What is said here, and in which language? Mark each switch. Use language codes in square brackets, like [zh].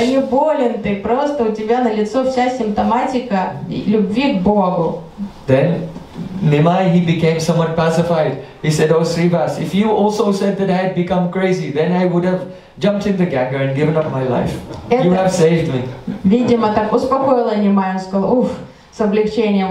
[ru] Да не болен ты, просто у тебя на лицо вся симптоматика любви к Богу. [en] Then Nimai, he became somewhat pacified. He said, oh Srivas, if you also said that I had become crazy, then I would have jumped in the Ganga and given up my life. You have saved me. [ru] Видимо, так успокоило Нимай, он сказал, уф, с облегчением.